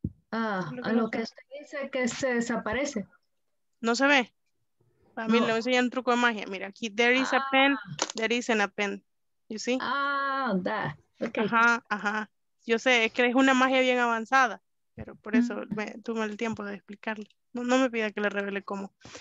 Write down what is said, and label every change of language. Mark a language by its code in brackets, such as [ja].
[es] Ah, lo que usted dice que se desaparece. ¿No se ve? A mí le voy a enseñar un truco de magia. Mira, aquí, [en] there is a pen, there isn't a pen. You see? Okay. [es] Ajá. Yo sé, es que es una magia bien avanzada, pero por eso me tuve el tiempo de explicarle. No, no me pida que le revele cómo.